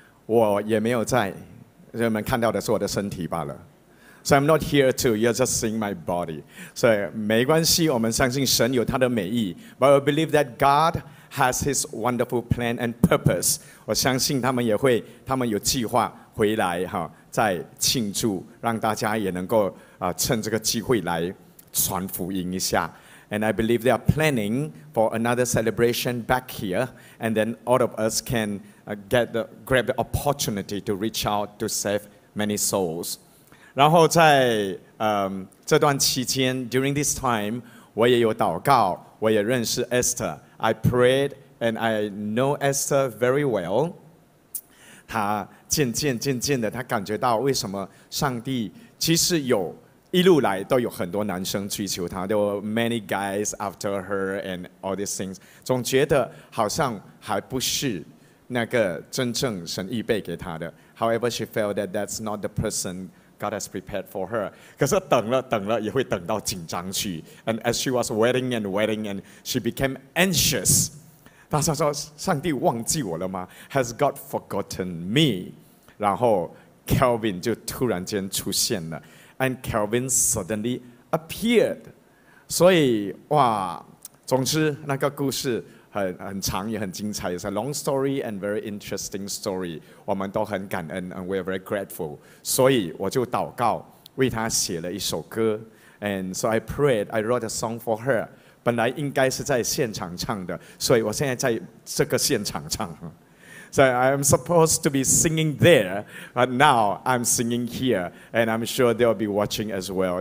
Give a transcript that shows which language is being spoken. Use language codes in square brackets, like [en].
[zh] 我也没有在，人们看到的是我的身体罢了。 [en] So I'm not here to, you're just seeing my body. [zh] So, 没关系，我们相信神有他的美意。 [en] But I believe that God has his wonderful plan and purpose. [zh] 我相信他们也会，他们有计划回来，再庆祝，让大家也能够趁这个机会来传福音一下。 [en] And I believe they are planning for another celebration back here. And then all of us can grab the opportunity to reach out to save many souls. [zh] 然后在这段期间 ， [en] during this time， [zh] 我也有祷告，我也认识 Esther。 [en] I prayed and I know Esther very well。 [zh] 她渐渐的，她感觉到为什么上帝其实有一路来都有很多男生追求她 ， [en] there were many guys after her and all these things。 [zh] 总觉得好像还不是那个真正神预备给她的。 [en] However, she felt that that's not the person. God has prepared for her. [zh] 可是等了等了也会等到紧张去。 [en] And as she was waiting and waiting and she became anxious. [zh] 她说上帝忘记我了吗？ [en] Has God forgotten me? [zh] 然后 Kelvin 就突然间出现了。 [en] And Kelvin suddenly appeared. [zh] 所以哇，总之那个故事很长也很精彩。 [en] It's a long story and very interesting story. [zh] 我们都很感恩 [en] and we are very grateful. [zh] 所以我就祷告为他写了一首歌。 [en] And so I prayed, I wrote a song for her. [zh] 本来应该是在现场唱的，所以我现在在这个现场唱。 [en] So I'm supposed to be singing there, but now I'm singing here, and I'm sure they'll be watching as well.